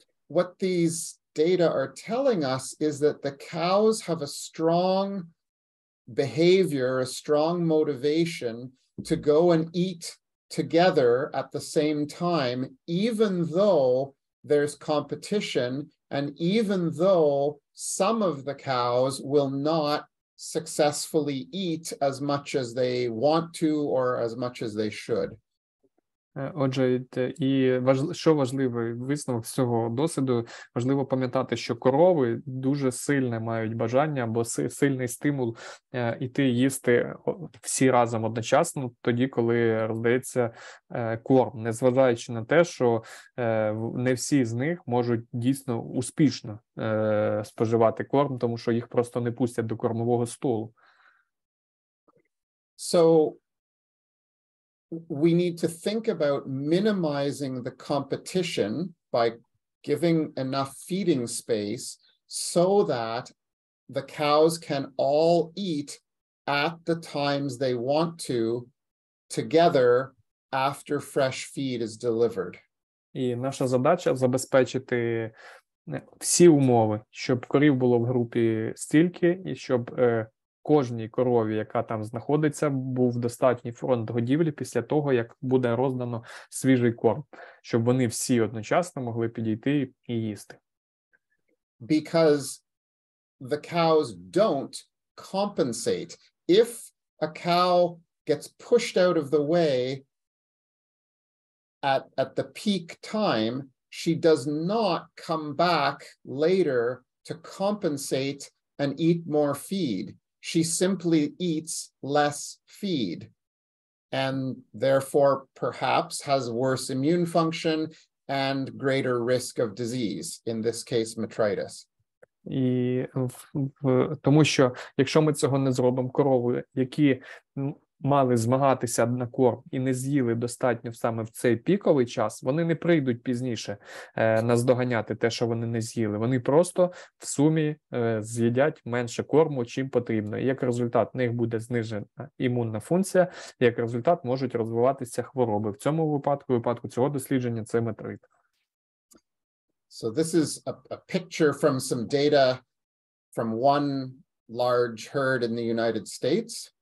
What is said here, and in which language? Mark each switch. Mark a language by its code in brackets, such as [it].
[en] What these data are telling us is that the cows have a strong behavior, a strong motivation to go and eat together at the same time, even though there's competition, and even though some of the cows will not successfully eat as much as they want to or as much as they should. [uk] Отже, і що важливий висновок цього досвіду, важливо пам'ятати, що корови дуже сильне мають бажання або сильний стимул іти їсти всі разом одночасно, тоді, коли роздається корм, незважаючи на те, що не всі з них можуть дійсно успішно споживати корм, тому що їх просто не пустять до кормового столу. [en] So, we need to think about minimizing the competition by giving enough feeding space so that the cows can all eat at the times they want to together after fresh feed is delivered. [uk] І наша задача забезпечити всі умови, щоб корів було в групі стільки, і щоб кожній корові, яка там знаходиться, був достатній фронт годівлі після того, як буде роздано свіжий корм, щоб вони всі одночасно могли підійти і їсти. [en] Because the cows don't compensate. If a cow gets pushed out of the way at the peak time, she does not come back later to compensate and eat more feed. She simply eats less feed and therefore perhaps has worse immune function and greater risk of disease, in this case, metritis. [uk] І тому що якщо ми цього не зробимо, корови, які мали змагатися на корм і не з'їли достатньо саме в цей піковий час, вони не прийдуть пізніше наздоганяти те, що вони не з'їли. Вони просто в сумі з'їдять менше корму, чим потрібно. І як результат, в них буде знижена імунна функція, і як результат, можуть розвиватися хвороби. В цьому випадку, випадку цього дослідження, це метрит. [en] So this is a picture from some data from one large herd in the United States.